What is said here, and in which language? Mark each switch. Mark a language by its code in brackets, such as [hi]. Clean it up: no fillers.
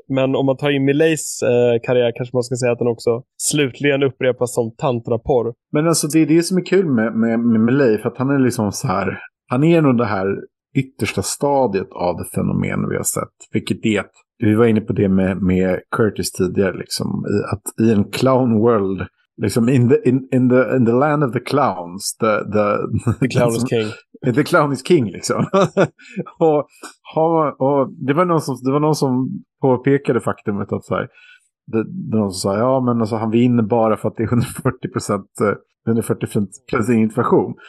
[sv] Men om man tar in Milleys karriär kanske man ska säga att den också slutligen upprepas som tantraporr. Men alltså det är det som är kul med Milley, för att han är liksom så här. Han är nog det här yttersta stadiet av det fenomen vi har sett. Vilket det, vi var inne på det med Curtis tidigare, liksom, att i en clown world. [en] Liksom in the land of the clowns, the clown is king. The clown is king, liksom. [sv] och det var någon som påpekade faktumet att så här, det någon som sa, ja men alltså, han vinner bara för att det är 140% inflation.